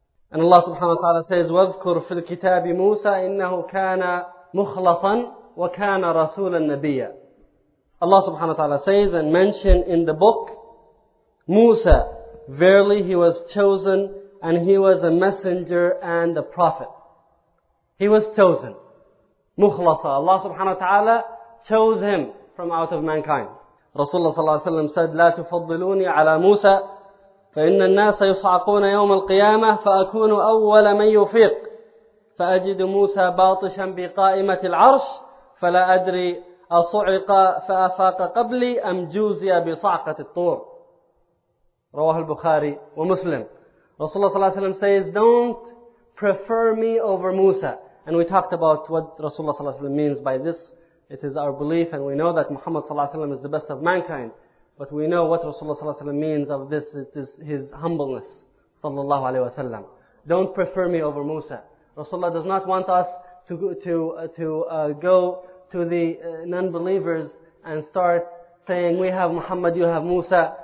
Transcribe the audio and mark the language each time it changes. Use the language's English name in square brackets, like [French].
[English] And Allah subhanahu wa ta'ala says, [Arabic] وَذْكُرْ فِي الْكِتَابِ مُوسَى إِنَّهُ كَانَ مُخْلَصًا وَكَانَ رَسُولًا نَبِيًّا [English] Allah subhanahu wa ta'ala says, and mention in the book, Musa, verily he was chosen and he was a messenger and a prophet. He was chosen. Mukhlasa. Allah subhanahu wa ta'ala chose him from out of mankind. Rasulullah sallallahu alayhi wa sallam said, [Arabic] لا تفضلوني على موسى فإن الناس يصعقون يوم القيامة فأكون أول من يفيق فأجد موسى باطشا بقائمة العرش فلا أدري أصعق فأفاق قبلي أم جوزي بصعقة الطور رواه البخاري ومسلم [English] Rasulullah sallallahu alayhi wa sallam says, don't prefer me over Musa. And we talked about what Rasulullah sallallahu alayhi wa sallam means by this. It is our belief and we know that Muhammad sallallahu alayhi wa sallam is the best of mankind. But we know what Rasulullah sallallahu alayhi wa sallam means of this. It is his humbleness, sallallahu alayhi wa sallam. Don't prefer me over Musa. Rasulullah does not want us to go to the non-believers and start saying, we have Muhammad, you have Musa.